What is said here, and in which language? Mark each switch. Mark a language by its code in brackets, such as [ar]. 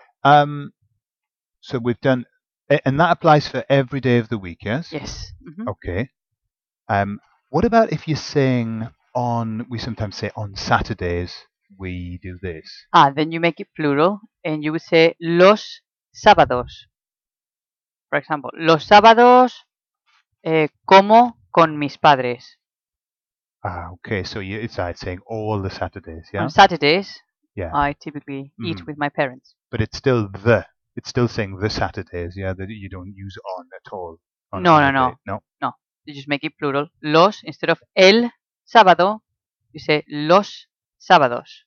[en] So we've done, and that applies for every day of the week, yes? Yes. Mm-hmm. Okay. What about if you're saying on, we sometimes say on Saturdays, we do this. Ah, then you make it plural, and you would say los sábados. For example, [es] los sábados como con mis padres. [en] Ah, okay. So it's like saying all the Saturdays, yeah? On Saturdays, yeah. I typically eat with my parents. But it's still the. It's still saying the Saturdays, yeah? That you don't use on at all. On No. You just make it plural. Los, instead of el sábado, you say los sábados.